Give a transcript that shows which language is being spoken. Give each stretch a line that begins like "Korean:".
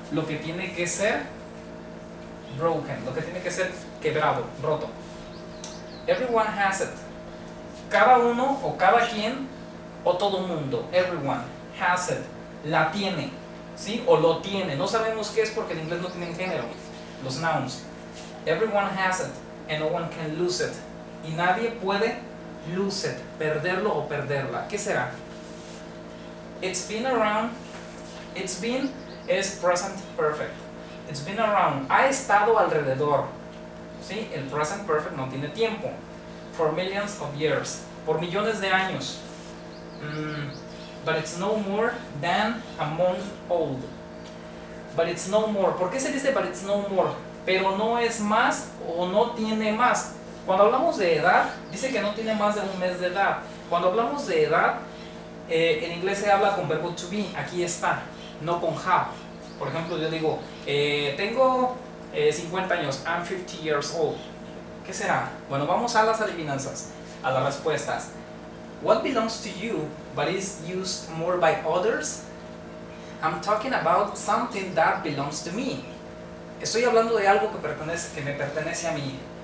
Spanish: Lo que tiene que ser broken, lo que tiene que ser quebrado, roto.
English: Everyone has it.
Spanish: Cada uno o cada quien o todo mundo,
English: everyone has it,
Spanish: la tiene, ¿sí? O lo tiene, no sabemos qué es porque el inglés no tiene género, los nouns.
English: Everyone has it and no one can lose it.
Spanish: Y nadie puede
English: lose it,
Spanish: perderlo o perderla. ¿Qué será?
English: It's been around, it's been es present perfect. It's been around,
Spanish: ha estado alrededor, ¿sí? El present perfect no tiene tiempo.
English: For millions of years,
Spanish: por millones de años.
English: But it's no more than a month old. But it's no more.
Spanish: ¿Por qué se dice
English: but it's no more?
Spanish: Pero no es más o no tiene más. Cuando hablamos de edad, dice que no tiene más de un mes de edad. Cuando hablamos de edad, en inglés se habla con verbo to be. Aquí está, no con have. Por ejemplo, yo digo, tengo 50 años.
English: I'm 50 years old.
Spanish: ¿Qué será? Bueno, vamos a las adivinanzas, a las respuestas.
English: What belongs to you, but is used more by others? I'm talking about something that belongs to me.
Spanish: Estoy hablando de algo que me pertenece a mí.